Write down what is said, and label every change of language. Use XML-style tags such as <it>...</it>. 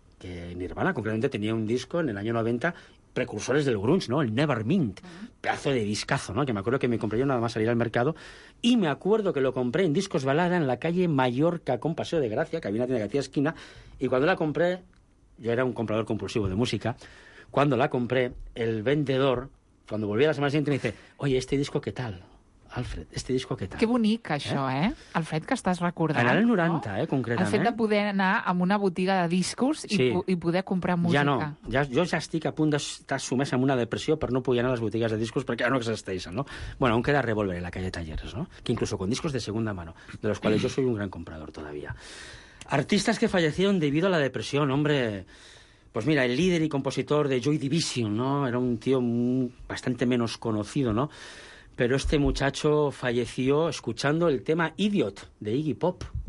<es>Que Nirvana concretamente tenía un disco en el año 90... precursores del grunge, ¿no? El Nevermind, pedazo de discazo, ¿no? Que me acuerdo que me compré yo nada más salir al mercado, y me acuerdo que lo compré en Discos Balada en la calle Mallorca con Paseo de Gracia, que había una tienda que hacía esquina, y cuando la compré, yo era un comprador compulsivo de música, cuando la compré, el vendedor, cuando volví a la semana siguiente, me dice, oye, ¿este disco qué tal?</es> <ca>Alfred,</ca> <es>este disco</es> <ca>què tal? Que bonic, això, eh? Alfred, que estàs recordant. En el 90, no? Concretament. El fet de poder anar a una botiga de discos i poder comprar música. Ja no. Jo ja estic a punt d'estar sumès en una depressió per no poder anar a les botigues de discos perquè ja no existeixen, no?</ca> <es>Bueno, aún queda Revolver en la calle Talleres, no? Que incluso con discos de segunda mano, de los cuales yo soy un gran comprador todavía. Artistas que fallecieron debido a la depresión, hombre... Pues mira, el líder y compositor de Joy Division, ¿no? Era un tío bastante menos conocido, ¿no? Pero este muchacho falleció escuchando el tema Idiot, de Iggy Pop.</es>